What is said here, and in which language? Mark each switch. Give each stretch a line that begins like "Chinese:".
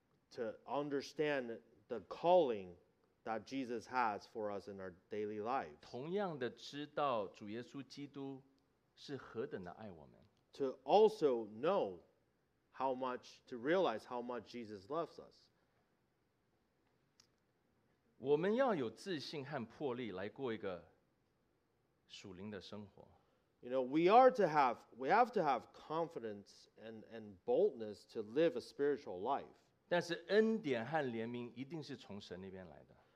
English: to understand the calling that Jesus has for us in our daily lives,
Chinese: 同样的知道主耶稣基督是何等的爱我们,
English: to also know how much, to realize how much Jesus loves us.
Chinese: 我们要有自信和魄力来过一个属灵的生活。
English: You know, we have to have confidence and boldness to live a spiritual life.
Chinese: 但是恩典和怜悯一定是从神那边来的。